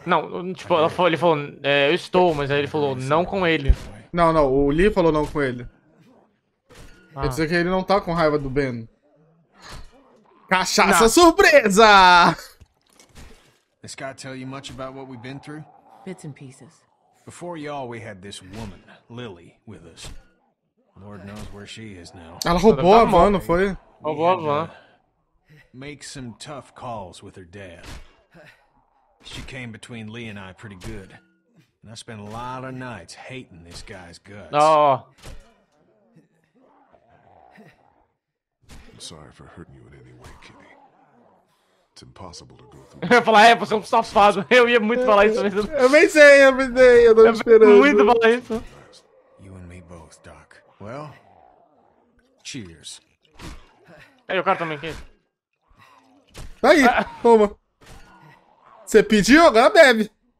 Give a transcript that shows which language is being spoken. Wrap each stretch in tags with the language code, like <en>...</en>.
<pt>Não, tipo, ele falou, eu estou, mas aí ele falou, não com ele. Não, não, o Lee falou não com ele. Ah. Quer dizer que ele não tá com raiva do Ben. Cachaça não. Surpresa!</pt> <en>This guy tell you much about what we've been through? Bits and pieces. Before y'all, we had this woman, Lily, with us. Lord knows where she is now.</en> <pt>Ela roubou a mão, não foi? Roubou a mão.</pt> <en>Make some tough calls with her dad. She came between Lee and I pretty good. And I spent a lot of nights hating this guy's guts. Oh. I'm sorry for hurting you in any way, Kitty. It's impossible to go through.</en> <pt>Eu ia falar, você é um soft spot. Eu ia muito falar isso mesmo. Eu nem sei, eu não esperando. Eu ia muito falar isso.</pt> <en>You and me both, Doc. Well, cheers.</en> <pt>Aí, o cara também aqui. Aí, toma. Você pediu, agora bebe.</pt>